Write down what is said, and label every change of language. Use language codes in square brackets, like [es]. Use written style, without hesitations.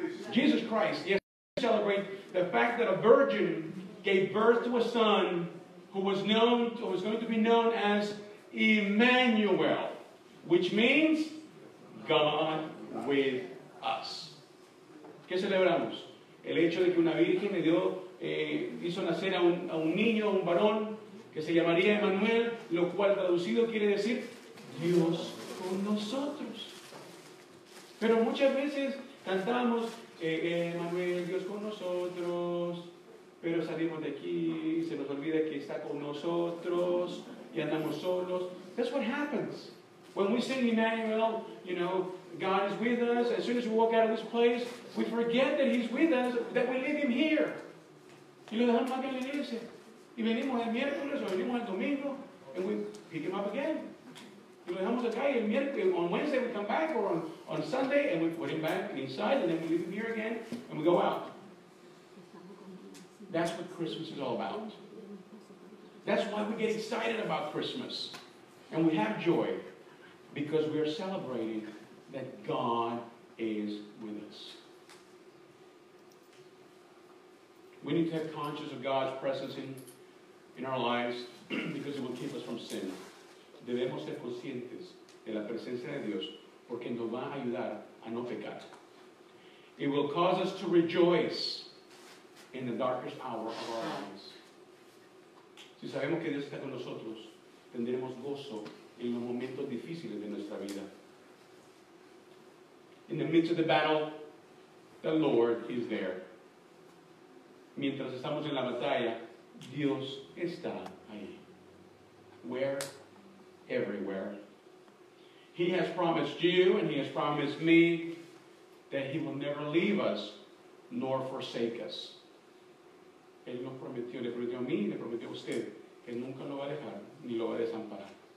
[en] Jesus Christ, yes, we celebrate the fact that a virgin gave birth to a son who was known, who was going to be known as Emmanuel, which means God with us. [es] ¿Qué celebramos? El hecho de que una virgen me dio, hizo nacer a un niño, a un varón, que se llamaría Emmanuel, lo cual traducido quiere decir Dios con nosotros. Pero muchas veces cantamos, Emmanuel, Dios con nosotros, pero salimos de aquí y se nos olvida que está con nosotros y andamos solos. [en] That's what happens. When we sing Emmanuel, you know, God is with us, as soon as we walk out of this place, we forget that He's with us, that we leave Him here. [es] Y lo dejamos aquí en la iglesia. Y venimos el miércoles o venimos el domingo, [en] and we pick Him up again. [es] Y lo dejamos acá y el miércoles, [en] on Wednesday we come back, or on Sunday, and we put Him back inside, and then we leave Him here again, and we go out. That's what Christmas is all about. That's why we get excited about Christmas. And we have joy. Because we are celebrating that God is with us. We need to have conscious of God's presence in our lives because it will keep us from sin. [es] Debemos ser conscientes de la presencia de Dios porque nos va a ayudar a no pecar. [en] It will cause us to rejoice in the darkest hour of our lives. [es] Si sabemos que Dios está con nosotros, tendremos gozo en los momentos difíciles de nuestra vida. [en] In the midst of the battle, the Lord is there. [es] Mientras estamos en la batalla, Dios está ahí. [en] Where? Everywhere. He has promised you and He has promised me that He will never leave us nor forsake us. [es] Él nos prometió, le prometió a mí y le prometió a usted que nunca lo va a dejar ni lo va a desamparar.